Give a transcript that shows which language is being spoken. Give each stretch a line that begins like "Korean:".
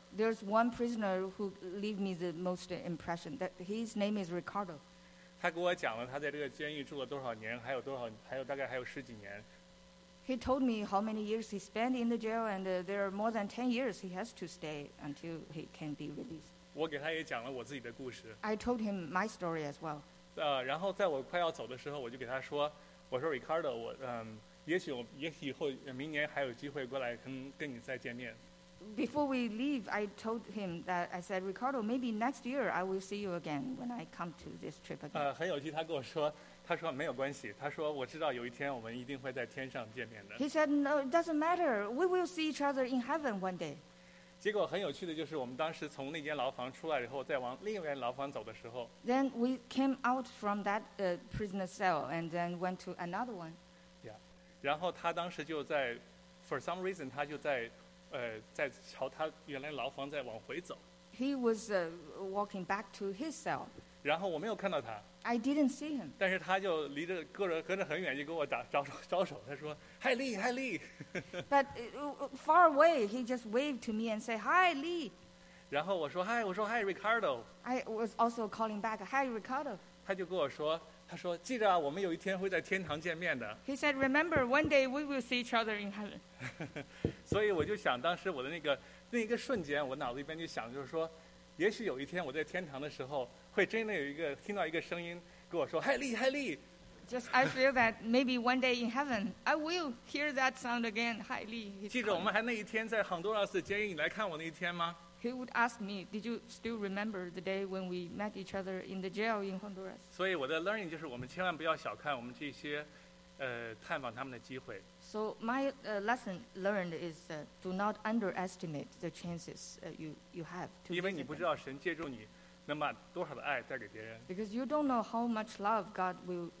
English: There's one prisoner who leave me the most impression. That his name is Ricardo.
Chinese: 他给我讲了他在这个监狱住了多少年，还有十几年。
English: He told me how many years he spent in the jail, and there are more than 10 years he has to stay until he can be released.
Chinese: 我给他也讲了我自己的故事。
English: I told him my story as well.
Chinese: 然后在我快要走的时候，我就给他说，我说 Ricardo, 也许以后明年还有机会过来跟你再见面。
English: Before we leave, I told him that I said, Ricardo, maybe next year I will see you again when I come to this trip again.
Chinese: 很有趣，他跟我说，他说没有关系，他说我知道有一天我们一定会在天上见面的。
English: He said, no, it doesn't matter. We will see each other in heaven one day.
Chinese: 结果很有趣的就是我们当时从那间牢房出来以后再往另一间牢房走的时候
English: Then we came out from that prisoner cell and then went to another one. Yeah.
Chinese: 然后他当时就在
English: for some reason
Chinese: 他就在在朝他原来牢房在往回走
English: He was walking back to his cell.
Chinese: 然后我没有看到他
English: I didn't see him.
Chinese: 但是他就离着隔着很远就跟我招手他说
English: Hi Lee, Hi Lee. But far away, he just waved to me and said, Hi Lee.
Chinese: 然后我说
English: Hi,
Chinese: 我说
English: Hi Ricardo. I was also calling back, Hi Ricardo.
Chinese: 他就跟我说，他说记着啊，我们有一天会在天堂见面的。
English: He said, Remember, one day we will see each other in heaven.
Chinese: 所以我就想，当时我的那个瞬间，我脑子里边就想，就是说，也许有一天我在天堂的时候，会真的有一个听到一个声音跟我说
English: Hi Lee, Hi Lee. Just I feel that maybe one day in heaven I will hear that sound again. Hi Lee.
Chinese: 记得我们还那一天在亨多拉斯监狱，你来看我那一天吗
English: ？He would ask me, "Did you still remember the day when we met each other in the jail in Honduras?"
Chinese: 所以我的 learning 就是我们千万不要小看我们这些，探访他们的机会。
English: So my lesson learned is do not underestimate the chances you have to.
Chinese: 因为你不知道神借助你能把多少的爱带给别人。
English: Because you don't know how much love God will.